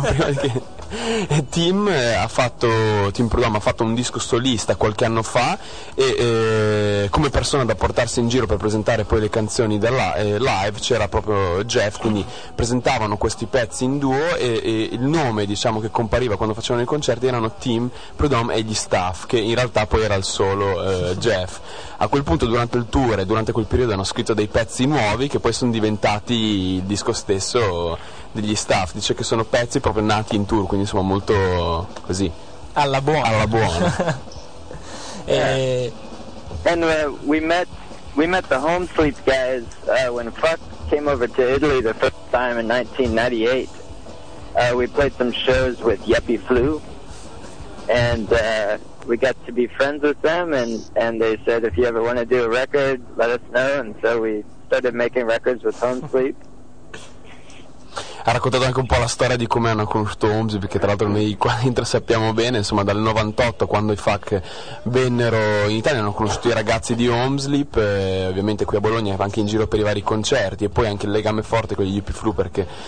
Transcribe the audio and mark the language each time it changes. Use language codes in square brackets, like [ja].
[it] Prima che Tim Prudhomme ha fatto un disco solista qualche anno fa e come persona da portarsi in giro per presentare poi le canzoni della live c'era proprio Jeff, quindi presentavano questi pezzi in duo e il nome, diciamo, che compariva quando facevano i concerti erano Tim Prudhomme e gli Staff, che in realtà poi era il solo Jeff. A quel punto, durante il tour e durante quel periodo, hanno scritto dei pezzi nuovi che poi sono diventati il disco stesso degli Staff. Dice che sono pezzi proprio nati in tour, quindi insomma molto così alla buona. [en] And we met the Homesleep guys when Fuck came over to Italy the first time in 1998. We played some shows with Yuppie Flu, and we got to be friends with them, and they said, if you ever want to do a record, let us know. And so we started making records with Homesleep. [it] Ha raccontato anche un po' la storia di come hanno conosciuto Homesleep, perché tra l'altro noi qua dentro sappiamo bene, insomma, dal 98, quando i FAC vennero in Italia, hanno conosciuto i ragazzi di Homesleep, ovviamente qui a Bologna, anche in giro per i vari concerti, e poi anche il legame forte con gli Yuppie Flu, perché